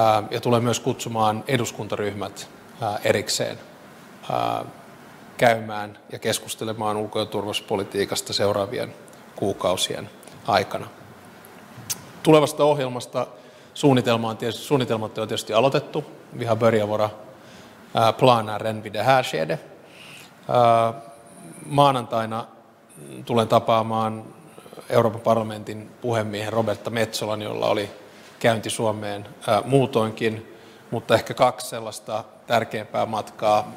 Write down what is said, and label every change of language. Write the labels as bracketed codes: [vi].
[fi] Ja tulen myös kutsumaan eduskuntaryhmät erikseen käymään ja keskustelemaan ulko- ja turvallisuuspolitiikasta seuraavien kuukausien aikana. Tulevasta ohjelmasta suunnitelmat on tietysti aloitettu. [sv] Vi har börjat våra planer vid det här skedet. [fi] Maanantaina tulen tapaamaan Euroopan parlamentin puhemiehen Roberta Metsolan, jolla oli käynti Suomeen muutoinkin, mutta ehkä kaksi sellaista tärkeämpää matkaa.